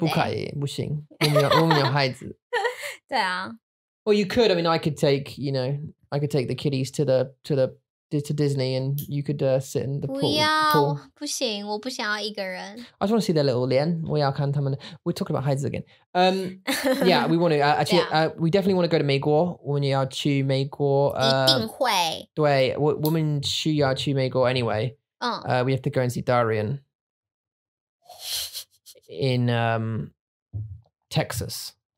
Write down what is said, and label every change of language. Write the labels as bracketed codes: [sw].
[zh] 不可以不行我们有孩子对啊 [en] well you could I mean I could take you know I could take the kiddies to Disney and you could sit in the pool. [zh] 不要不行我不想要一个人 [en] I just want to see their little 脸我要看他们 We're talking about 孩子 again. yeah, we want to, we definitely want to go to 美国我们要去美国 [zh] 一定会对我们需要去美国 anyway. [en] We have to go and see Darian in Texas.